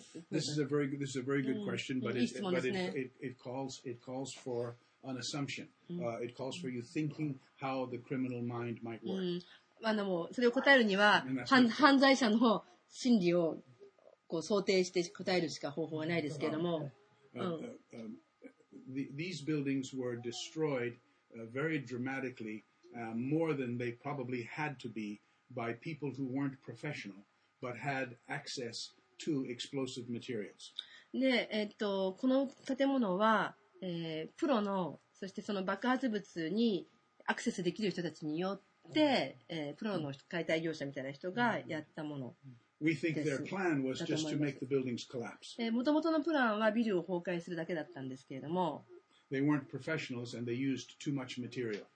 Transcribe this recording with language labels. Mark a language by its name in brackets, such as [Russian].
[English] This is a very good question, but it calls for an assumption. It calls for you thinking how the criminal mind might work. [Japanese] もうそれを答えるには犯罪者の心理をこう想定して答えるしか方法はないですけれども。 [English] These buildings were destroyed very dramatically, more than they probably had to be, by people who weren't professional but had access to explosive materials. [Japanese] で、この建物は、プロの、そしてその爆発物にアクセスできる人たちによって、プロの解体業者みたいな人がやったもの。 [English] We think their plan was just to make the buildings collapse. [Japanese] 元々のプランはビルを崩壊するだけだったんですけれども。 [English] They weren't professionals and they used too much material.